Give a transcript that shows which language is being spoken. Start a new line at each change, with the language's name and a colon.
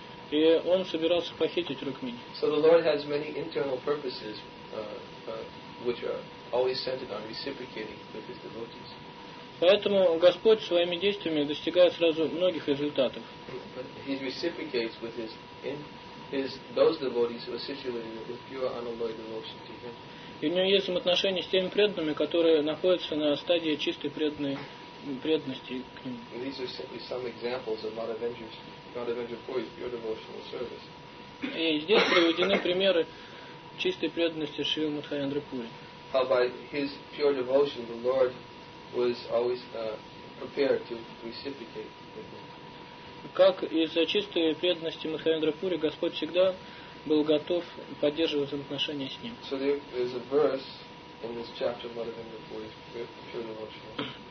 Russian: И он собирался похитить Рукмини.
English: So the Lord has many internal purposes, which are always centered on reciprocating with His devotees.
Russian: Поэтому Господь своими действиями достигает сразу многих результатов.
English: But He reciprocates with His those devotees who are situated with pure unalloyed devotion to Him.
Russian: И у него есть взаимоотношения с теми преданными, которые находятся на стадии чистой преданной. Преданности к ним.
English: These are simply some examples of Madhavendra Puri's pure devotional service.
Russian: И здесь приведены примеры чистой преданности Шри Мадхавендры Пури.
English: How by his pure devotion the Lord was always prepared to reciprocate.
Russian: Как из-за чистой преданности Мадхавендры Пури Господь всегда был готов поддерживать взаимоотношения с ним.
English: So there is a verse in this chapter of Madhavendra Puri's pure devotional.